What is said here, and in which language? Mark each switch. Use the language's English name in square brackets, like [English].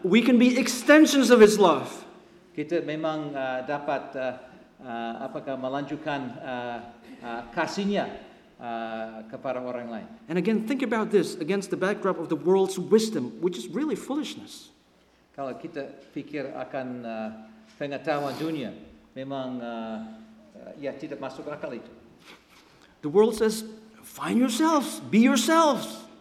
[English] We can be extensions of his love. [Indonesian] Kita memang dapat melanjutkan kasihnya kepada orang lain. [English] And again, think about this against the backdrop of the world's wisdom, which is really foolishness. [Indonesian] Kalau kita pikir akan pengetahuan dunia, memang ya tidak masuk akal itu. [English] The world says, find yourselves, be yourselves.